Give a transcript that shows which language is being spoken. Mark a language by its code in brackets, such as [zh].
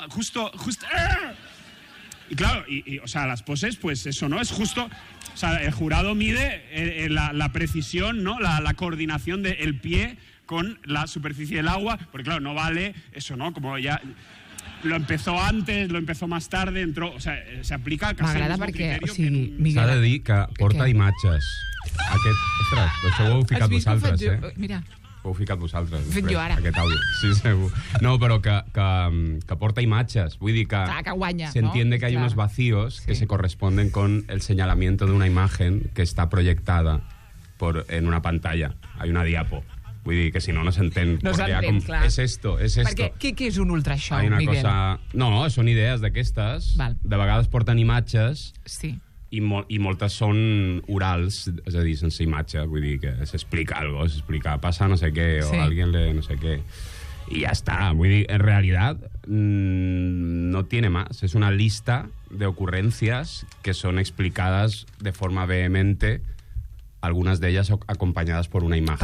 [es] Justo ¡ah! Y claro, y o sea, las poses, pues eso, ¿no? Es justo... O sea, el jurado mide la precisión, ¿no? La coordinación del pie con la superficie del agua. Porque, claro, no vale eso, ¿no? Como ya lo empezó antes, lo empezó más tarde, entró... O sea, se aplica casi el mismo criterio. [ca] M'agrada perquè, o sigui, Miguel... S'ha de dir que porta imatges. Aquest... Ostres, això ho heu ficat vosaltres, eh? Mira. Ho heu ficat vosaltres. Ho he fet jo ara. Aquest àudio. Sí, segur. No, però que porta imatges. Vull dir que... Clar, que guanya, [es] se entiende, no? Que hi ha uns vacíos, sí, que se corresponden con el señalamiento de una imagen que está proyectada en una pantalla. Hay una diapo. [ca] Vull dir que si no s'entén. No s'entén, com... clar. [es] És esto. [ca] Perquè què és un ultrashow, Miguel? Cosa... No, són idees d'aquestes. Val. De vegades porten imatges. Sí. I moltes són orals, és a dir, sense imatge, vull dir que s'explica algo, s'explica passa no sé què, o sí, alguien le no sé què, i ja està, vull dir, en realitat [es] no tiene más, [ca] és una lista d'ocurrències que són explicades de forma vehemente, algunes d'elles acompanyades per una imatge.